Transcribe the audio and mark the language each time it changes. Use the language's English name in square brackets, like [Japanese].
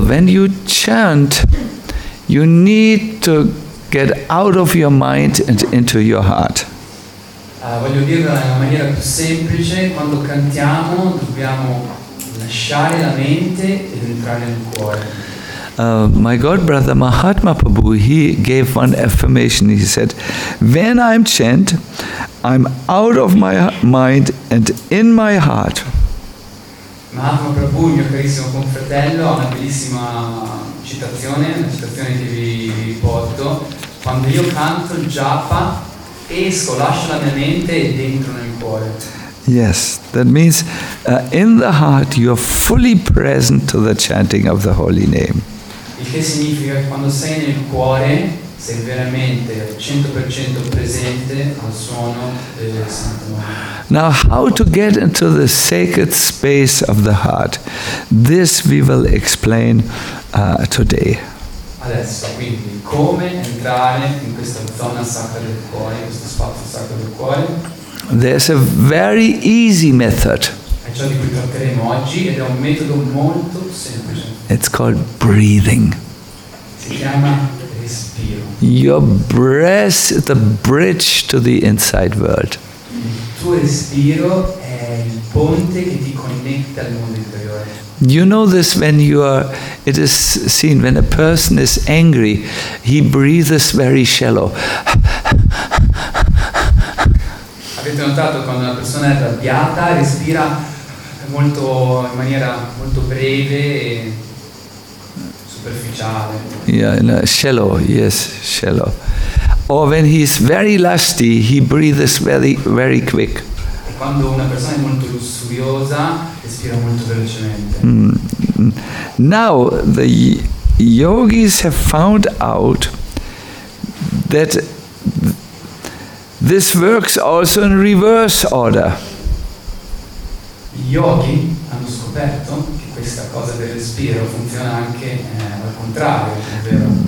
[English] When you chant, you need to get out of your mind and into your heart. [Italian] Voglio dirlo in maniera più semplice. Quando cantiamo, dobbiamo lasciare la mente ed entrare nel cuore. [English] My godbrother Mahatma Prabhu, he gave one affirmation. He said, when I'm chant, I'm out of my mind and in my heart. [Italian] Mahatma Prabhu, mio carissimo confratello, ha una bellissima citazione, una citazione che vi riporto. Quando io canto il japa, esco, lascio la mia mente dentro nel cuore. [English] Yes, that means in the heart you are fully present to the chanting of the holy name. [Italian] Il che significa che quando sei nel cuore sei veramente 100% presente al suono del Santo Nome. [English] Now, how to get into the sacred space of the heart? This we will explain today. [Italian] Adesso, quindi, come entrare in questa zona sacra del cuore, in questo spazio sacro del cuore? [English] There's a very easy method. [Italian] È ciò di cui parleremo oggi ed è un metodo molto semplice. [English] It's called breathing. [Italian] Si chiama respiro. [English] Your breath is the bridge to the inside world. [Italian] Il tuo respiro è il ponte che ti connette al mondo interiore. [English] You know this when you are, it is seen when a person is angry, he breathes very shallow. [Italian] Avete notato quando una persona è arrabbiata, respira molto, in maniera molto breve e superficiale. [English] Yeah, no, shallow, yes, shallow. Or when he is very lusty, he breathes very, very quick. [Italian] Quando una persona è molto lussuriosa, respira molto velocemente. [English] Now the yogis have found out that this works also in reverse order. [Italian] I yogi hanno scoperto che questa cosa del respiro funziona anche al contrario, è vero?